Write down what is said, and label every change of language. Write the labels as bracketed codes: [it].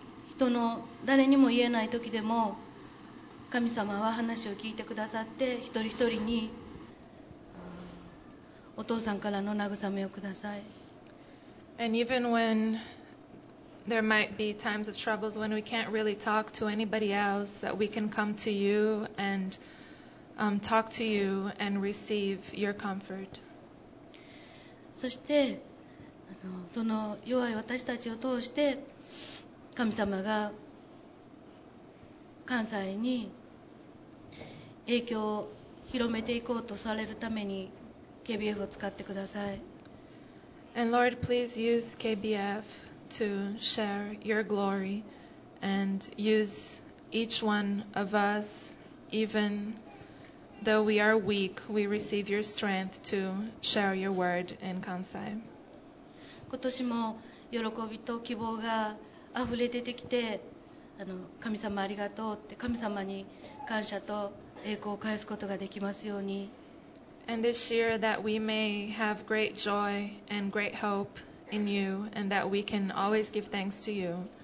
[ja] 人の誰にも言えない時でも神様は話を聞いてくださって一人一人にお父さんからの慰めをください。 [en] And even when there might be times of troubles when we can't really talk to anybody else, that we can come to you and talk to you and receive your comfort. [ja] そしてその弱い私たちを通して神様が関西に影響を広めていこうとされるために KBF を使ってください。 [en] And Lord, please use KBF to share your glory and use each one of us, evenThough we are weak, we receive your strength to share your word in Kansai. [ja] 今年も喜びと希望が溢れ出てきて、神様ありがとうって神様に感謝と栄光を返すことができますように。 [en] And this year that we may have great joy and great hope in you, and that we can always give thanks to you.